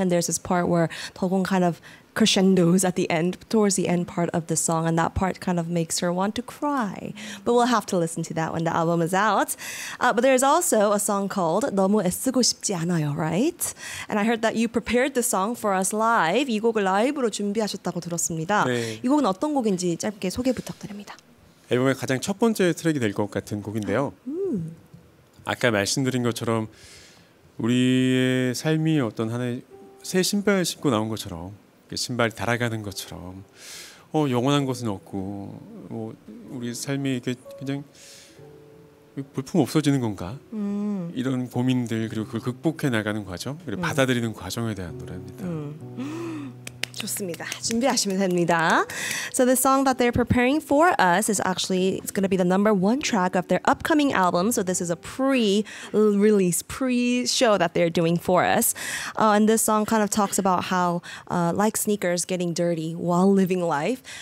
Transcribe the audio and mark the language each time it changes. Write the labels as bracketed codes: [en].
[en] And there's this part where 덕원 kind of crescendos at the end, towards the end part of the song, and that part kind of makes her want to cry. But we'll have to listen to that when the album is out. But there's also a song called 너무 애쓰고 싶지 않아요, right? And I heard that you prepared the song for us live. [ko] 이 곡을 라이브로 준비하셨다고 들었습니다. 네. 이 곡은 어떤 곡인지 짧게 소개 부탁드립니다. 앨범의 가장 첫 번째 트랙이 될 것 같은 곡인데요. 아까 말씀드린 것처럼 우리의 삶이 어떤 하나의 새 신발을 신고 나온 것처럼 신발이 달아가는 것처럼 영원한 것은 없고 우리 삶이 이렇게 그냥 볼품 없어지는 건가 이런 고민들 그리고 그걸 극복해 나가는 과정 그리고 받아들이는 과정에 대한 노래입니다. 좋습니다. 준비하시면 됩니다. [en] So the song that they're preparing for us is actually it's going to be the number one track of their upcoming album. So this is a pre-release, pre-show that they're doing for us. And this song kind of talks about how like sneakers getting dirty while living life.